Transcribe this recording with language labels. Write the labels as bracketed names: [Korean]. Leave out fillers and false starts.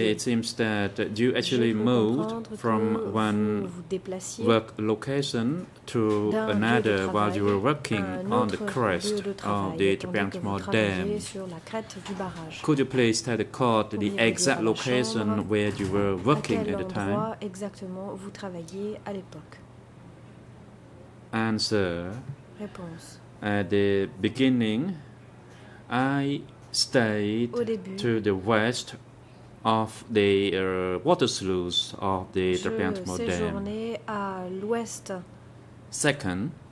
[English] To me, it seems that you actually moved from one work location to another while you were working on the crest of the Trebbiatmore Dam. Could you please tell the court the exact location where you were working at the time? [French] À quel endroit exactement vous travailliez à l'époque? [English] Answer. [French] Réponse. [English] At the beginning, I stayed to the west of the water sluice of the Trebbiatmore Dam. [French] Je séjournais à l'ouest. [English] Second,